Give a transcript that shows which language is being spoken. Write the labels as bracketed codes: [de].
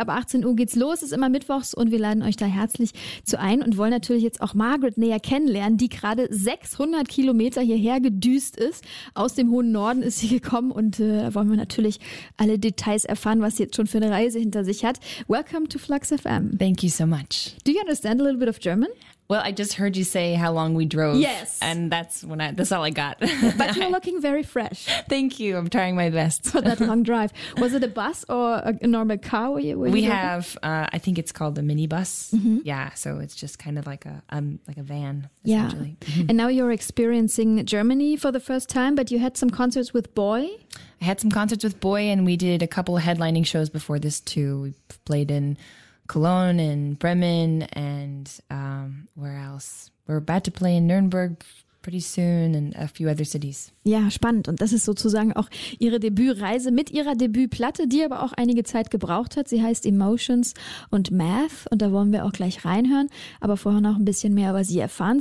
[de] Ab 18 Uhr geht's los, ist immer mittwochs und wir laden euch da herzlich zu ein und wollen natürlich jetzt auch Margaret näher kennenlernen, die gerade 600 Kilometer hierher gedüst ist. Aus dem hohen Norden ist sie gekommen und wollen wir natürlich alle Details erfahren, was sie jetzt schon für eine Reise hinter sich hat. [en] Welcome to Flux FM. Thank you so much. Do you understand a little bit of German? Well, I just heard you say how long we drove. Yes. And that's all I got. But you're looking very fresh. Thank you. I'm trying my best. For that long drive. Was it a bus or a normal car? I think it's called a minibus. Mm-hmm. Yeah. So it's just kind of like a van. Yeah. And now you're experiencing Germany for the first time, but you had some concerts with Boy. I had some concerts with Boy and we did a couple of headlining shows before this too. We played in Cologne and Bremen and where else? We're about to play in Nürnberg pretty soon and a few other cities. [de] Ja, spannend. Und das ist sozusagen auch ihre Debütreise mit ihrer Debütplatte, die aber auch einige Zeit gebraucht hat. Sie heißt Emotions und Math und da wollen wir auch gleich reinhören, aber vorher noch ein bisschen mehr über sie erfahren.